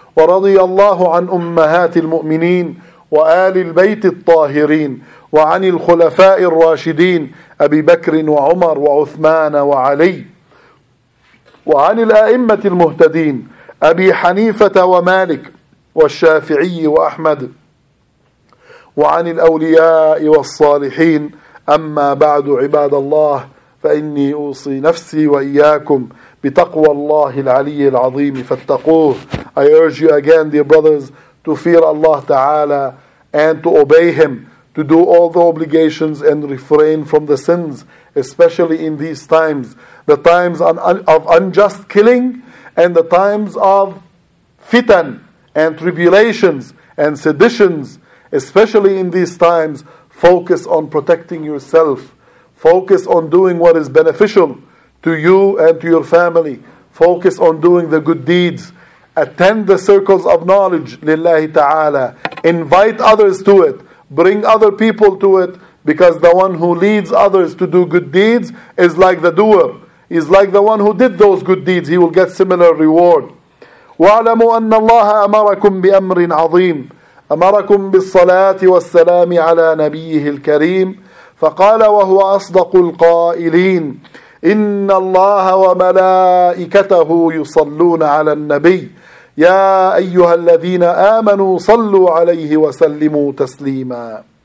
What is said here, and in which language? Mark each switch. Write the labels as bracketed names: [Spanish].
[Arabic] ورضي الله عن أمهات المؤمنين وآل البيت الطاهرين وعن الخلفاء الراشدين أبي بكر وعمر وعثمان وعلي وعن الأئمة المهتدين أبي حنيفة ومالك والشافعي وأحمد وعن الأولياء والصالحين. أما بعد عباد الله، فإني أوصي نفسي وإياكم بتقوى الله العلي العظيم فاتقوه. [English] I urge you again, dear brothers, to fear Allah Ta'ala and to obey Him, to do all the obligations and refrain from the sins, especially in these times, the times of unjust killing and the times of fitan and tribulations and seditions. Especially in these times, Focus on protecting yourself. Focus on doing what is beneficial to you and to your family. Focus on doing the good deeds. Attend the circles of knowledge, [Arabic] لِلَّهِ تَعَالَى. [English] Invite others to it. Bring other people to it. Because the one who leads others to do good deeds is like the doer. He's like the one who did those good deeds. He will get similar reward. [Arabic] وَعْلَمُوا أَنَّ اللَّهَ أَمَرَكُمْ بِأَمْرٍ عَظِيمٍ أمركم بالصلاة والسلام على نبيه الكريم فقال وهو أصدق القائلين إن الله وملائكته يصلون على النبي يا أيها الذين آمنوا صلوا عليه وسلموا تسليما